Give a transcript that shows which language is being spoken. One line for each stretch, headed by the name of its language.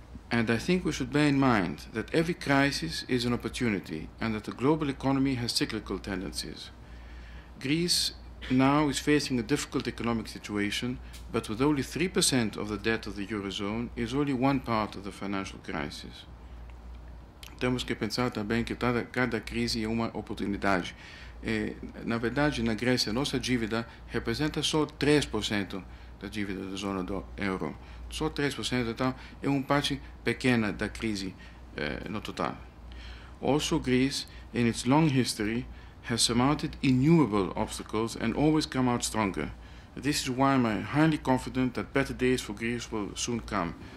English: And I think we should bear in mind that every crisis is an opportunity and that the global economy has cyclical tendencies. Greece now is facing a difficult economic situation, but with only 3% of the debt of the Eurozone is only one part of the financial crisis.
Portuguese: Temos que pensar também que cada crise é uma oportunidade. Na verdade, na Grécia, nossa dívida representa só 3% da dívida da zona do euro. Só 3%, então, é uma parte pequena da crise no total.
English: Also, Greece, in its long history, has surmounted innumerable obstacles and always come out stronger. This is why I'm highly confident that better days for Greece will soon come.